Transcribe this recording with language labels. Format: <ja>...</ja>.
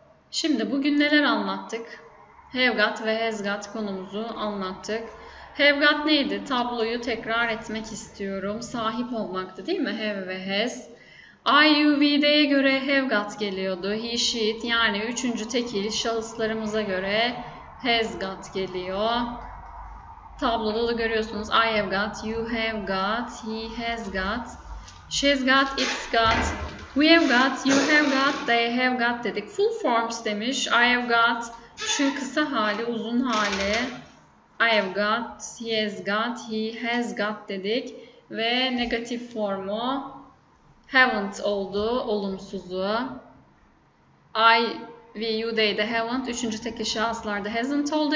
<tr>Şimdi bugün neler anlattık? Have got ve has got konumuzu anlattık. Have got neydi? Tabloyu tekrar etmek istiyorum. Sahip olmaktı değil mi? Have ve has. I, you, we'de göre have got geliyordu. He, she, it. Yani üçüncü tekil şahıslarımıza göre has got geliyor. Tabloda da görüyorsunuz.</tr> <en>I have got, you have got, he has got, she's got, it's got, we have got, you have got, they have got</en> <tr>dedik. Full forms demiş.</tr> <en>I have got,</en> <tr>şu kısa hali, uzun hali.</tr> <en>I have got, he has got, he has got</en> <tr>dedik. Ve negatif formu haven't oldu, olumsuzu. I, we, you, they de haven't. Üçüncü tekil şahıslarda hasn't oldu.</tr>